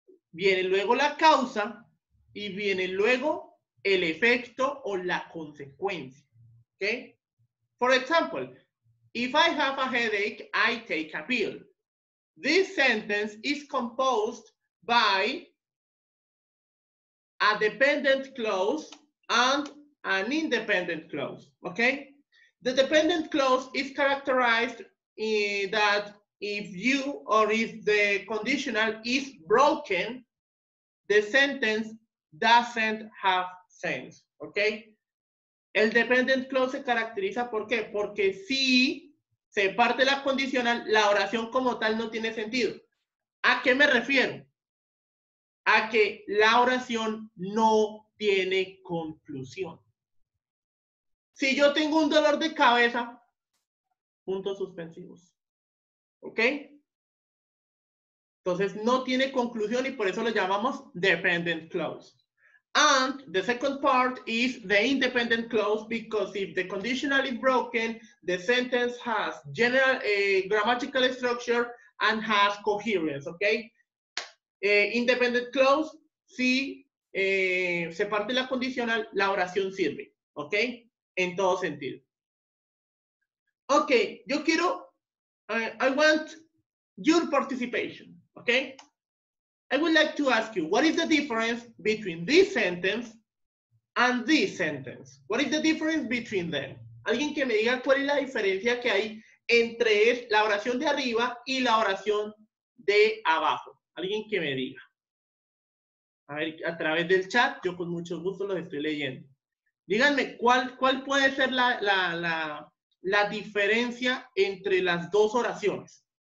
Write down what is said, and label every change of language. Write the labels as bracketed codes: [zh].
[es] Viene luego la causa y viene luego el efecto o la consecuencia, okay? [en] For example, if I have a headache, I take a pill. This sentence is composed by a dependent clause and an independent clause, okay? The dependent clause is characterized in that if you or if the conditional is broken, the sentence doesn't have sense, okay? [es] El dependent clause se caracteriza, ¿por qué? Porque si se parte la condicional, la oración como tal no tiene sentido. ¿A qué me refiero? A que la oración no tiene conclusión. Si yo tengo un dolor de cabeza, puntos suspensivos, ¿ok? Entonces, no tiene conclusión y por eso lo llamamos dependent clause. [en] And the second part is the independent clause because if the conditional is broken, the sentence has general grammatical structure and has coherence, okay? [es] Independent clause, si se parte la condicional, la oración sirve, okay? En todo sentido. [en] Okay, [es] yo quiero, [en] I want your participation. Okay, I would like to ask you, what is the difference between this sentence and this sentence? What is the difference between them? [es] Alguien que me diga cuál es la diferencia que hay entre la oración de arriba y la oración de abajo. Alguien que me diga. A ver, a través del chat, yo con mucho gusto los estoy leyendo. Díganme, ¿cuál puede ser la diferencia entre las dos oraciones?